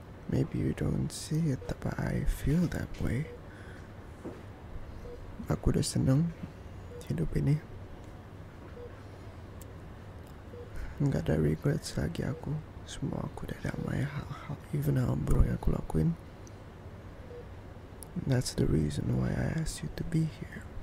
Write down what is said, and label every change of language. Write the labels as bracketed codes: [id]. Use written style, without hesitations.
[en] Maybe you don't see it, but I feel that way. [id] Aku udah seneng hidup ini. Nggak ada regrets lagi aku. Semua aku udah damai hal-hal. Even hal buruk yang aku lakuin. [en] That's the reason why I asked you to be here.